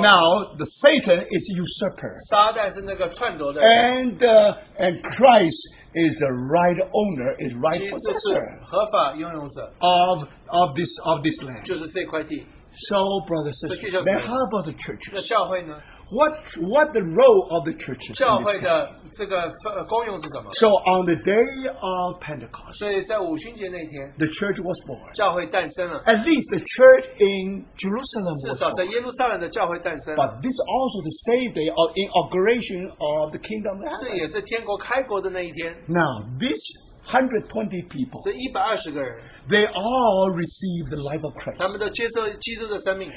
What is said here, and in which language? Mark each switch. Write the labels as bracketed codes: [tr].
[en] now the Satan is usurper. [zh] 撒旦是那个篡夺的, [en] and Christ is the right owner, is right possessor, [zh] 合法拥有者, [en] of this land. [zh] 就是这块地, [en] so, brothers and sisters, then how about the churches? [zh] 那教会呢? [en] What the role of the church is? [zh] 教会的这个功用是什么? [en] So on the day of Pentecost, [zh] 所以在五旬节那天, [en] the church was born. [zh] 教会诞生了, [en] at least the church in Jerusalem was born. [zh] 至少在耶路撒冷的教会诞生, [en] but this also the same day of inauguration of the kingdom of heaven. [zh] 这也是天国开国的那一天, [en] now this 120 people, [zh] 这120个人, [en] they all receive the life of Christ. [zh] 他们都接受基督的生命,